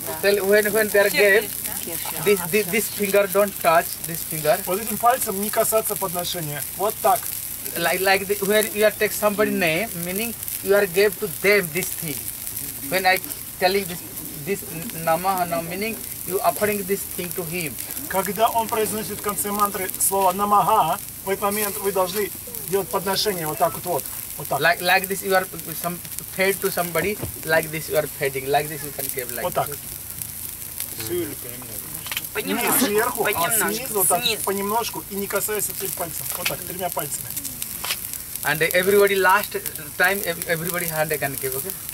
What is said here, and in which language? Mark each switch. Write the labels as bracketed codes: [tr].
[en] Tell when they are gave, this finger don't touch this finger. [ru] Вот этим пальцем не касаться подношения. Вот так. [en] Like the, where you are take somebody name, meaning you are gave to them this thing. When I telling this namah, now meaning you offering this thing to him. [ru] Когда он произносит в конце мантры слово намага, в этот момент вы должны делать подношение вот так вот, вот так. [en] Like this you are fed to somebody, like this you are feeding, like this you can give like. [ru] Вот так. Понемножку. Не сверху, понемножку, а снизу, вот так, понемножку и не касаясь этих пальцев. Вот так, тремя пальцами. [en] And everybody last time everybody hand I can give, okay?